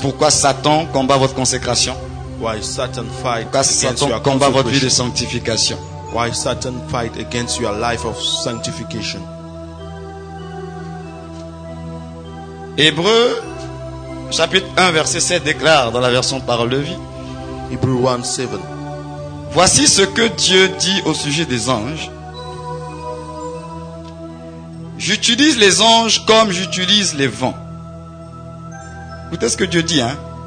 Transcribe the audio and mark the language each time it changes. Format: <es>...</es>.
<fr>Pourquoi Satan combat votre consécration?</fr> <en>Why Satan fight</en> <fr>Parce que Satan combat votre vie de sanctification.</fr> <en>Why Satan fight against your life of sanctification?</en> <fr>Hébreux chapitre 1 verset 7 déclare dans la version Parole de vie. Hébreux 1 7. Voici ce que Dieu dit au sujet des anges. J'utilise les anges comme j'utilise les vents. Écoutez ce que Dieu dit, hein.</fr>